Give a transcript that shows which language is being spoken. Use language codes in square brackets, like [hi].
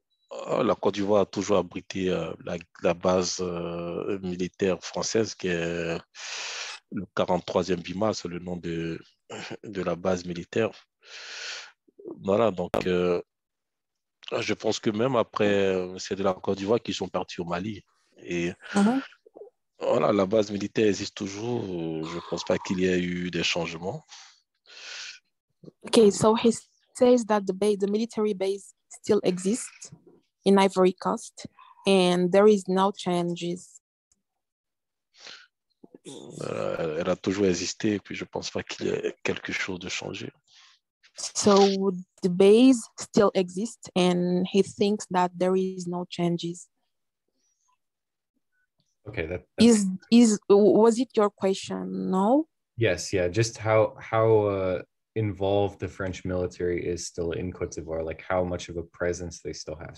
[fr] La Côte d'Ivoire a toujours abrité la base militaire française qui est le 43e BIMA, c'est le nom de la base militaire. Voilà, donc je pense que même après, c'est de la Côte d'Ivoire qu'ils sont partis au Mali. Et voilà, la base militaire existe toujours. Je ne pense pas qu'il y ait eu des changements. [en] Ok, so he's says that the base, the military base still exists in Ivory Coast and there is no changes. [fr] Elle a toujours existé et puis je pense pas qu'il y ait quelque chose de changé. [en] So the base still exists and he thinks that there is no changes. Okay, that was it your question? No? Yes, yeah, just how involved the French military is still in Côte d'Ivoire, like how much of a presence they still have.